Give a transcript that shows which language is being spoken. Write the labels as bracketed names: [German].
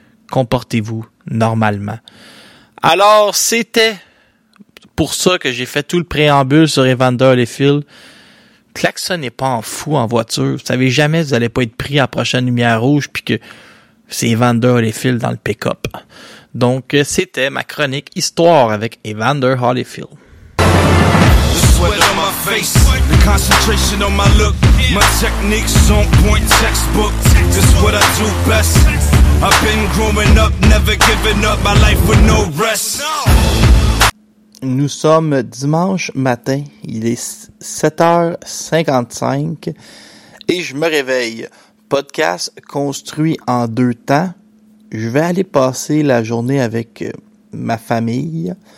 [French] Comportez-vous normalement. » Alors, c'était pour ça que j'ai fait tout le préambule sur Evander Holyfield. Klaxonnez pas en fou en voiture. Vous savez jamais que vous n'allez pas être pris à la prochaine lumière rouge puis que c'est Evander Holyfield dans le pick-up. Donc, c'était ma chronique histoire avec Evander Holyfield. [English] Sweat on my face, the concentration on my look. My technique's on point, textbook. This is what I do best. I've been growing up, never giving up my life with no rest. [French] Nous sommes dimanche matin, il est 7h55 et je me réveille. Podcast construit en deux temps. Je vais aller passer la journée avec ma famille.